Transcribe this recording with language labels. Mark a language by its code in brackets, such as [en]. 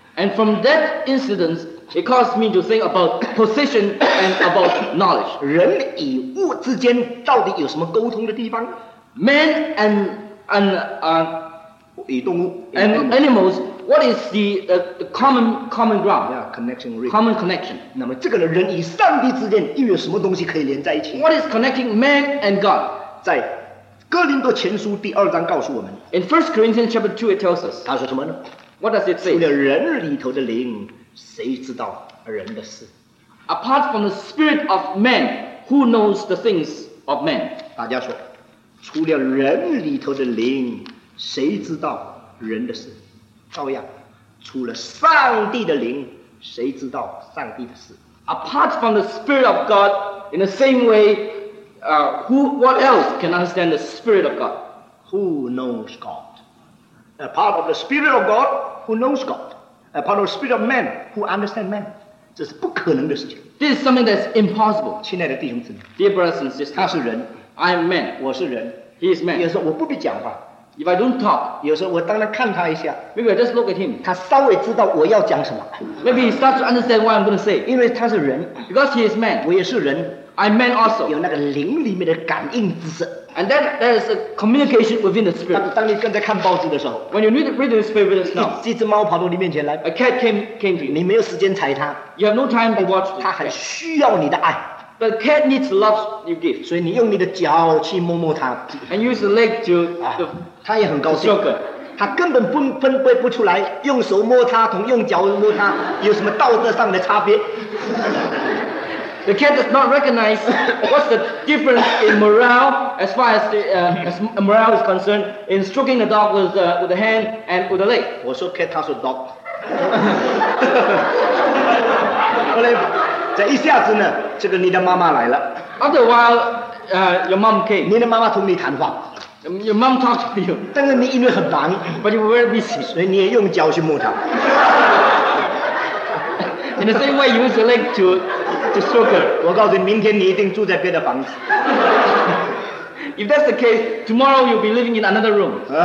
[en] And from that incident, it caused me to think about position and about knowledge. [zh] 人与物之间到底有什么沟通的地方 [en] ？Man and [zh] 与动物 [en] and animals. What is the common ground? Yeah, connection ring. Common connection. [zh] 那么这个呢，人与上帝之间又有什么东西可以连在一起 [en] ？What is connecting man and God? [zh] 在哥林多前书第二章告诉我们。 [en] In 1 Corinthians chapter 2 it tells us. [zh] 他说什么呢 [en] ？What does it say? [zh] 除了人里头的灵，谁知道人的事 [en] ？Apart from the spirit of man, who knows the things of man? [zh] 大家说，除了人里头的灵，谁知道人的事？照样，除了上帝的灵，谁知道上帝的事 [en] ？Apart from the spirit of God, in the same way, what else can understand the spirit of God? Who knows God? Apart of the spirit of God, who knows God? Apart of the spirit of man, who understand man? [zh] 这是不可能的事情。 [en] This is something that's impossible. [zh] 亲爱的弟兄姊妹 [en] ，Dear brothers and sisters, [zh] 他是人 [en] ，I am man. [zh] 我是人 [en] ，He is man. [zh] 有时候我不必讲话。 [en] If I don't talk, [zh] 有时候我当然看他一下。 [en] Maybe I just look at him. [zh] 他稍微知道我要讲什么。 [en] Maybe he starts to understand what I'm going to say. [zh] 因为他是人。 [en] Because he is man. [zh] 我也是人。 [en] I'm man also. [zh] 有那个灵里面的感应知识。 [en] And that is a communication within the spirit. [zh] 当你正在看报纸的时候。 [en] When you read the newspaper now. [zh] 一只猫跑到你面前来。 [en] A cat came to you. [zh] 你没有时间睬它。 [en] You have no time to watch. [zh] 它很需要你的爱。 [en] But cat needs love you give. [zh] 所以你用你的脚去摸摸它。 [en] And use the leg to. [zh] 他也很高兴，他根本分辨不出来用手摸他同用脚摸他有什么道德上的差别。 [en] The cat does not recognize what's the difference in morale as far as the, as morale is concerned in stroking the dog with the hand and with the leg. Also, cat touch the dog. [zh] 这一下子呢，这个你的妈妈来了。 [en] After a while, your mom came. [zh] 你的妈妈同你谈话。 [en] Your mom talked to you. [zh] 但是你因为很忙。 [en] But you were very busy. [zh] 所以你也用脚去摸她。 [en] In the same way, you use your leg to, stroke her. [zh] 我告诉你，明天你一定住在别的房子。 [en] If that's the case, tomorrow you'll be living in another room.